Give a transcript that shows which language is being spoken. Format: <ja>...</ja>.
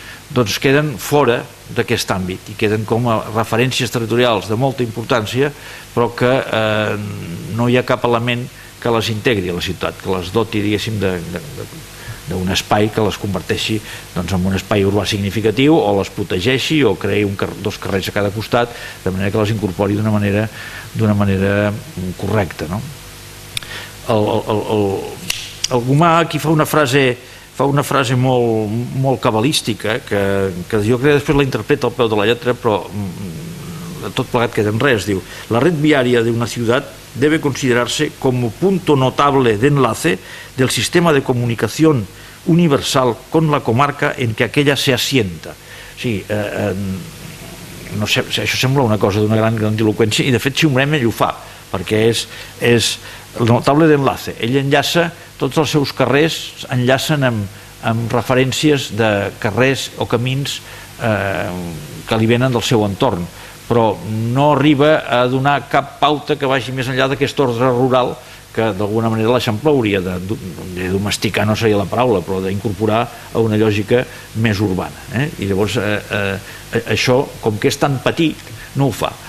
<ca>doncs queden fora d'aquest àmbit i queden com a referències territorials de molta importància, però que no hi ha cap element que les integri a la ciutat, que les doti, diguéssim, d'un espai que les converteixi, doncs, en un espai urbà significatiu, o les protegeixi, o creï dos carrers a cada costat, de manera que les incorpori d'una manera correcta, no? El Gomà aquí fa una frase molt, molt cabalística, que jo crec que després la interpreta al peu de la lletra, però tot plegat queda en res.</ca> <es>Diu: la red</es> <ca>viària d'una ciutat</ca> <es>debe considerarse como punto notable de enlace del sistema de comunicación universal con la comarca en que aquella se asienta.</es> <ca>O sigui, no sé, això sembla una cosa d'una gran grandiloquència, i de fet Ximurem ell ho fa, perquè és el notable d'enlace. Ell enllaça, tots els seus carrers enllacen amb referències de carrers o camins que li venen del seu entorn, però no arriba a donar cap pauta que vagi més enllà d'aquest ordre rural que d'alguna manera l'Eixample hauria de domesticar, no seria la paraula, però d'incorporar a una lògica més urbana, I llavors això, com que és tan petit, no ho fa.</ca>